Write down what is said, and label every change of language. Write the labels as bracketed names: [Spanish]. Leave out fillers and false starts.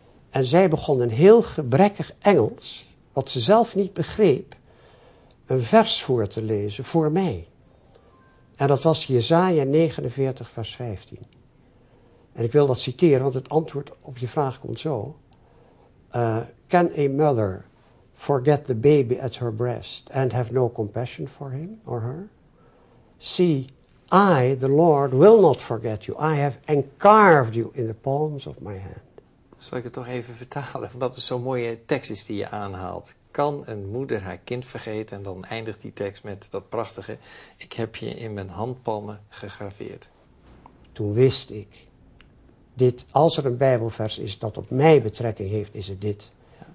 [Dutch] En zij begon een heel gebrekkig Engels, wat ze zelf niet begreep, een vers voor te lezen voor mij. En dat was Jesaja 49, vers 15. En ik wil dat citeren, want het antwoord op je vraag komt zo. [English] Can a mother forget the baby at her breast and have no compassion for him or her? See, I, the Lord, will not forget you. I have encarved you in the palms of my hand. [Dutch] Zal ik het toch even vertalen? Want dat is zo'n mooie tekst is die je aanhaalt. Kan een moeder haar kind vergeten? En dan eindigt die tekst met dat prachtige. Ik heb je in mijn handpalmen gegraveerd. Toen wist ik. Dit, als er een Bijbelvers is dat op mij betrekking heeft, is het dit. Ja.